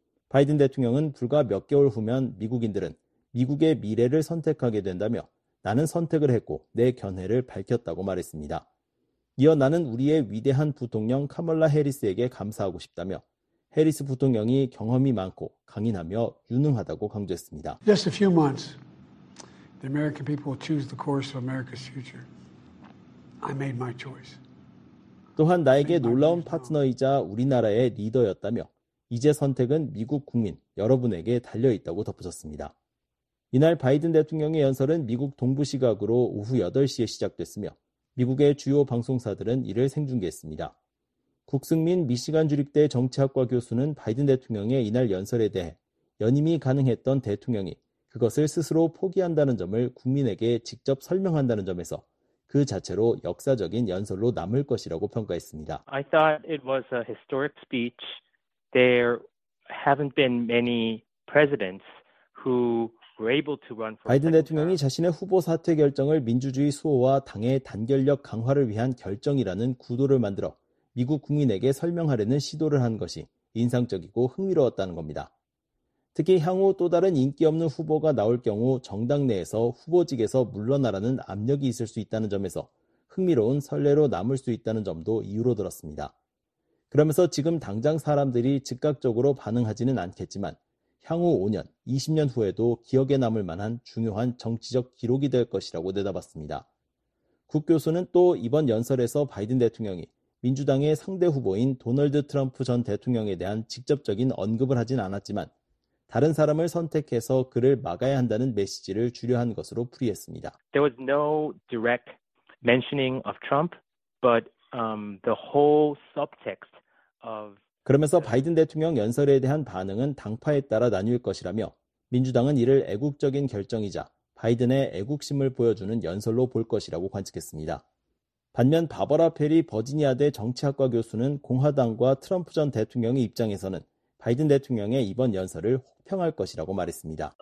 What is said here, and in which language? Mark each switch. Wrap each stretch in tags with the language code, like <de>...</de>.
<ko>바이든 대통령은 불과 몇 개월 후면 미국인들은 미국의 미래를 선택하게 된다며 나는 선택을 했고 내 견해를 밝혔다고 말했습니다. 이어 나는 우리의 위대한 부통령 카멀라 해리스에게 감사하고 싶다며 해리스 부통령이 경험이 많고 강인하며 유능하다고 강조했습니다.</ko> <en>Just a few months, the American people will choose the course of America's future. I made my choice.</en> <ko>또한 나에게 놀라운 파트너이자 우리나라의 리더였다며 이제 선택은 미국 국민 여러분에게 달려있다고 덧붙였습니다. 이날 바이든 대통령의 연설은 미국 동부 시각으로 오후 8시에 시작됐으며 미국의 주요 방송사들은 이를 생중계했습니다. 국승민 미시간 주립대 정치학과 교수는 바이든 대통령의 이날 연설에 대해 연임이 가능했던 대통령이 그것을 스스로 포기한다는 점을 국민에게 직접 설명한다는 점에서 그 자체로 역사적인 연설로 남을 것이라고 평가했습니다.</ko> <en>I thought it was a historic speech. There haven't been many presidents who were able to run for.</en> <ko>바이든 대통령이 자신의 후보 사퇴 결정을 민주주의 수호와 당의 단결력 강화를 위한 결정이라는 구도를 만들어 미국 국민에게 설명하려는 시도를 한 것이 인상적이고 흥미로웠다는 겁니다. 특히 향후 또 다른 인기 없는 후보가 나올 경우 정당 내에서 후보직에서 물러나라는 압력이 있을 수 있다는 점에서 흥미로운 선례로 남을 수 있다는 점도 이유로 들었습니다. 그러면서 지금 당장 사람들이 즉각적으로 반응하지는 않겠지만 향후 5년, 20년 후에도 기억에 남을 만한 중요한 정치적 기록이 될 것이라고 내다봤습니다. 국 교수는 또 이번 연설에서 바이든 대통령이 민주당의 상대 후보인 도널드 트럼프 전 대통령에 대한 직접적인 언급을 하진 않았지만 다른 사람을 선택해서 그를 막아야 한다는 메시지를 주려한 것으로 풀이했습니다.</ko> <en>There was no direct mentioning of Trump, but the whole subtext of</en> <ko>그러면서 바이든 대통령 연설에 대한 반응은 당파에 따라 나뉠 것이라며 민주당은 이를 애국적인 결정이자 바이든의 애국심을 보여주는 연설로 볼 것이라고 관측했습니다. 반면 바버라 페리 버지니아대 정치학과 교수는 공화당과 트럼프 전 대통령의 입장에서는 바이든 대통령의 이번 연설을 혹평할 것이라고 말했습니다.</ko>